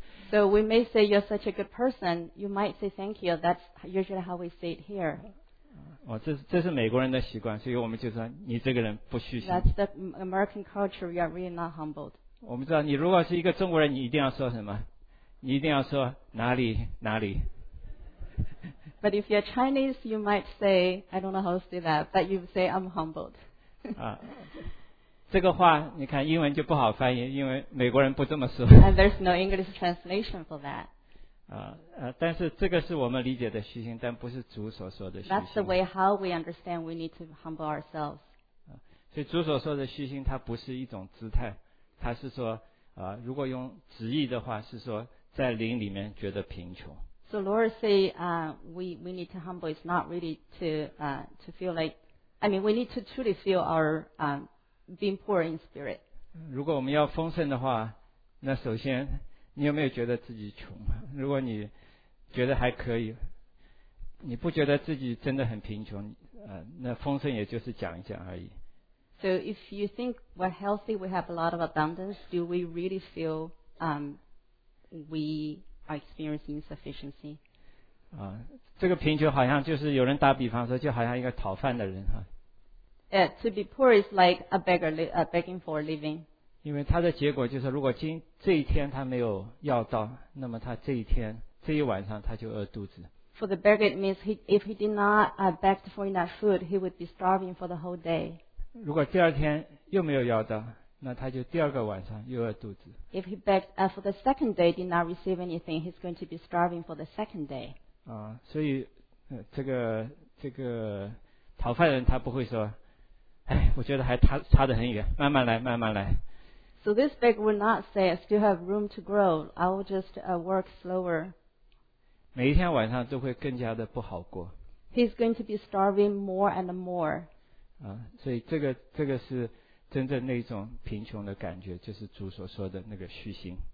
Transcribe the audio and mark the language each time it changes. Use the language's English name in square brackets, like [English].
[English] So we may say you're such a good person, you might say thank you, that's usually how we say it here. [Chinese] 这是美国人的习惯，所以我们就说你这个人不虚心。 [English] That's the American culture, you are really not humbled. [Chinese] 我们知道你如果是一个中国人，你一定要说什么，你一定要说哪里哪里。 [English] But if you're Chinese, you might say, I don't know how to say that, but you say I'm humbled. [Chinese] 这个话你看英文就不好翻译，因为美国人不这么说。 [English] And there's no English translation for that. [Chinese] 但是这个是我们理解的虚心，但不是主所说的虚心。 [English] That's the way how we understand we need to humble ourselves. [Chinese] 所以主所说的虚心，它不是一种姿态，它是说如果用直译的话，是说在灵里面觉得贫穷。 [English] So Lord say, we need to humble. It's not really to feel like. I mean, we need to truly feel our being poor in spirit. [Chinese] 如果我们要丰盛的话，那首先你有没有觉得自己穷？如果你觉得还可以，你不觉得自己真的很贫穷，那丰盛也就是讲一讲而已。 [English] So if you think we're healthy, we have a lot of abundance, do we really feel we are experiencing insufficiency? [Chinese] 这个贫穷好像就是有人打比方说，就好像一个讨饭的人哈。 [English] Yeah, to be poor is like a beggar begging for a living. [Chinese] 因为他的结果就是，如果今这一天他没有要到，那么他这一天这一晚上他就饿肚子。 [English] For the beggar, it means if he did not beg for enough food, he would be starving for the whole day. [Chinese] 如果第二天又没有要到，那他就第二个晚上又饿肚子。 [English] If he begged for the second day, did not receive anything, he's going to be starving for the second day. [Chinese] 所以这个讨饭人他不会说。我觉得还差得很远，慢慢来，慢慢来。 [English] So this beggar would not say, "I still have room to grow. I will just work slower." [Chinese] 每一天晚上都会更加的不好过。 [English] He's going to be starving more and more. [Chinese] 所以这个是真正那种贫穷的感觉，就是主所说的那个虚心。